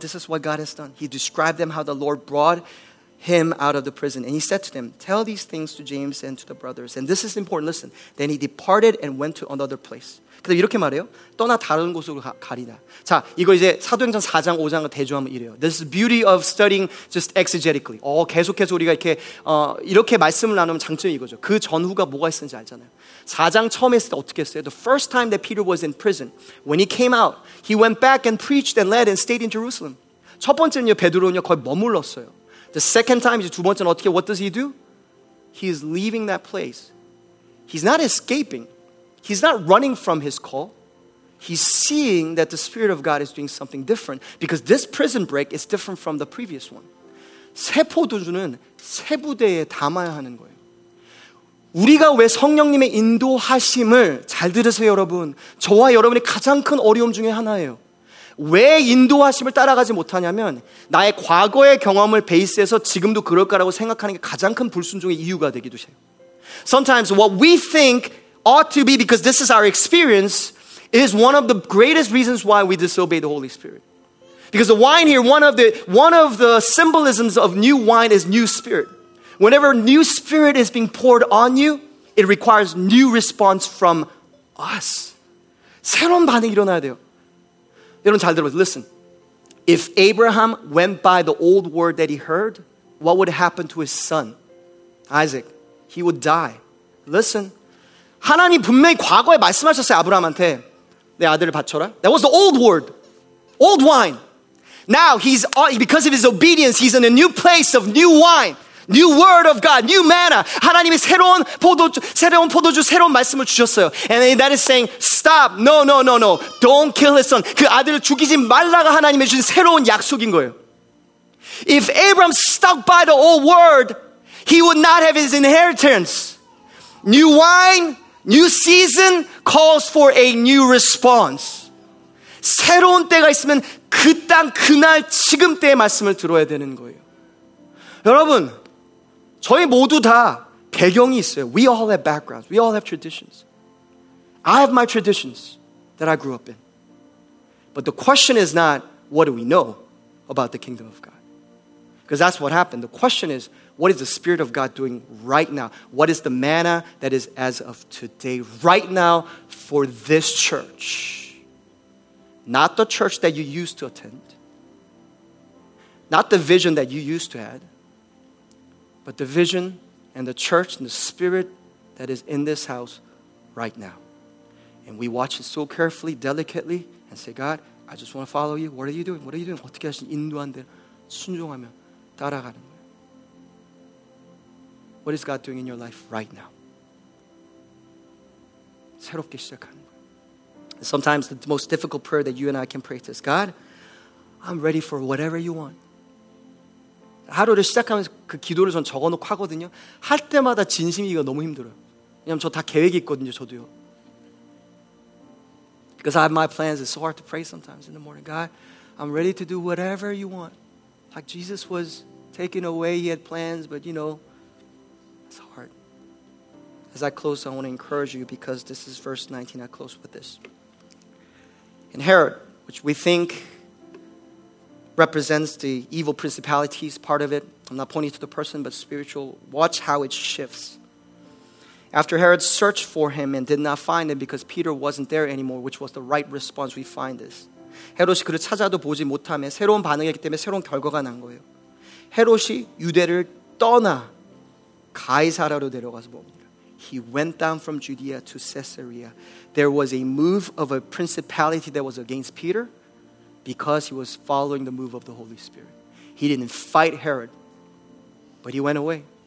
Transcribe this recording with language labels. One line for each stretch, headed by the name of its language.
English: This is what God has done. He described them how the Lord brought him out of the prison. And he said to them, tell these things to James and to the brothers. And this is important. Listen. Then he departed and went to another place.
Korean: 그래서 이렇게 말해요. 떠나 다른 곳으로 가리라. 자, 이거 이제 사도행전 4장, 5장을 대조하면 이래요.
English: This is the beauty of studying just exegetically.
Korean: 계속해서 우리가 이렇게 이렇게 말씀을 나누면 장점이 이거죠. 그 전후가 뭐가 있었는지 알잖아요. 4장 처음에 했을 때 어떻게 했어요?
English: The first time that Peter was in prison, when he came out, he went back and preached and led and stayed in Jerusalem.
Korean: 첫 번째는요, 베드로는요, 거의 머물렀어요.
English: The second time,
Korean: 이제 두 번째는 어떻게,
English: what does he do? He is leaving that place. He's not escaping. He's not running from his call. He's seeing that the Spirit of God is doing something different because this prison break is different from the previous one.
Korean: 세포도주는 새 부대에 담아야 하는 거예요. 우리가 왜 성령님의 인도하심을 잘 들으세요, 여러분. 저와 여러분이 가장 큰 어려움 중에 하나예요. 왜 인도하심을 따라가지 못하냐면 나의 과거의 경험을 베이스해서 지금도 그럴 거라고 생각하는 게 가장 큰 불순종의 이유가 되기도 해요.
English: Sometimes what we think ought to be because this is our experience is one of the greatest reasons why we disobey the Holy Spirit. Because the wine here, one of the symbolisms of new wine is new spirit. Whenever new spirit is being poured on you, it requires new response from us.
Korean: 새로운 반응이 일어나야 돼요. 여러분 잘 들어보세요.
English: Listen. If Abraham went by the old word that he heard, what would happen to his son? Isaac. He would die. Listen.
Korean: 하나님 분명히 과거에 말씀하셨어요. 아브라함한테. 내 아들을 바쳐라.
English: That was the old word. Old wine. Now, he's because of his obedience, he's in a new place of new wine. New word of God, new manna.
Korean: 하나님이 새로운 포도주, 새로운 말씀을 주셨어요.
English: And that is saying, stop, no, no, no, no. Don't kill his son.
Korean: 그 아들을 죽이지 말라가 하나님이 주신 새로운 약속인 거예요.
English: If Abraham stuck by the old word, he would not have his inheritance. New wine, new season calls for a new response.
Korean: 새로운 때가 있으면 그 땅, 그날, 지금 때의 말씀을 들어야 되는 거예요. 여러분, 저희 모두 다 배경이 있어요.
English: We all have backgrounds. We all have traditions. I have my traditions that I grew up in. But the question is not, what do we know about the kingdom of God? Because that's what happened. The question is, what is the Spirit of God doing right now? What is the manna that is as of today, right now, for this church? Not the church that you used to attend. Not the vision that you used to have. But the vision and the church and the spirit that is in this house right now. And we watch it so carefully, delicately, and say, God, I just want to follow you. What are you doing? What are you doing?
Korean: 어떻게 하신 인도한 대로 순종하면 따라가는 거예요.
English: What is God doing in your life right now?
Korean: 새롭게 시작하는 거예요.
English: Sometimes the most difficult prayer that you and I can pray is, God, I'm ready for whatever you want.
Korean: 하루를 시작하면서 그 기도를 전 적어놓고 하거든요. 할 때마다 진심이기가 너무 힘들어요. 왜냐면 저 다 계획이 있거든요, 저도요.
English: Because I have my plans, it's so hard to pray sometimes in the morning. God, I'm ready to do whatever you want. Like Jesus was taken away, he had plans, but you know, it's hard. As I close, I want to encourage you because this is verse 19. I close with this. And Herod, which we think represents the evil principalities part of it. I'm not pointing to the person, but spiritual. Watch how it shifts. After Herod searched for him and did not find him because Peter wasn't there anymore, which was the right response, we find this.
Korean: 헤롯이 그를 찾아도 보지 못하며 새로운 반응이었기 때문에 새로운 결과가 난 거예요. 헤롯이 유대를 떠나 가이사라로 내려가서 봅니다.
English: He went down from Judea to Caesarea. There was a move of a principality that was against Peter because he was following the move of the Holy Spirit. He didn't fight Herod, but he went away.